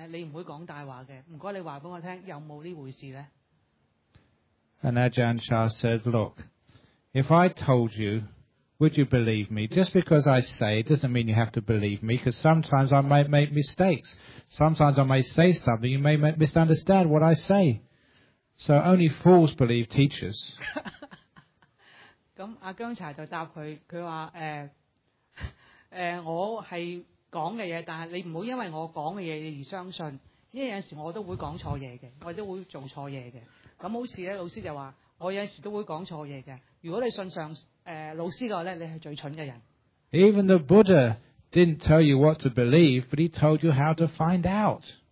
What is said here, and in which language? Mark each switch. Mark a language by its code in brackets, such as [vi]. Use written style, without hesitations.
[zh] 有人曾經問過阿姜查,即是師父的師父,就問究竟有沒有再生這件事呢?因為我知道你是一個大的修行人,你不會說謊的,麻煩你告訴我,有沒有這回事呢? [en] And Ajahn Chah said, look, if I told you, would you believe me? Just because I say it doesn't mean you have to believe me, because sometimes I might make mistakes. Sometimes I may say something, you may misunderstand what I say. So only fools believe teachers. [zh] 阿姜查就回答他,他說,我是說的東西,但你不要因為我說的東西而相信,因為有時候我都會說錯東西,我都會做錯東西,好像老師就說,我有時候都會說錯東西,如果你信上 老師的話,你是最蠢的人。 [en] Even the Buddha didn't tell you what to believe, but he told you how to find out.